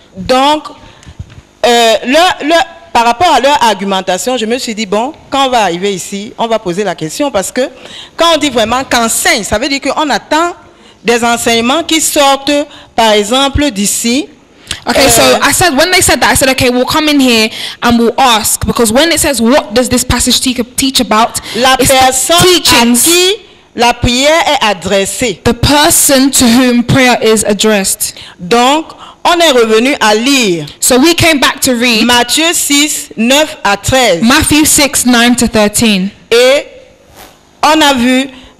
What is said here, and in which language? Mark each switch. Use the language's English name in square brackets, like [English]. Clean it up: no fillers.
[French] Donc, par rapport à leur argumentation, je me suis dit, bon, quand on va arriver ici, on va poser la question parce que quand on dit vraiment qu'enseigne, ça veut dire qu'on attend des enseignements qui sortent, par exemple, d'ici. [English] Okay, so I said when they said that, I said, okay, we'll come in here and we'll ask because when it says, what does this passage teach about? [French] La personne à qui la prière est adressée. [English] The person to whom prayer is addressed. [French] Donc, on est revenu à lire. [English] So we came back to read [French] Matthieu 6, 9 à 13. [English] Matthew 6, 9 to 13. [French] Et on a vu.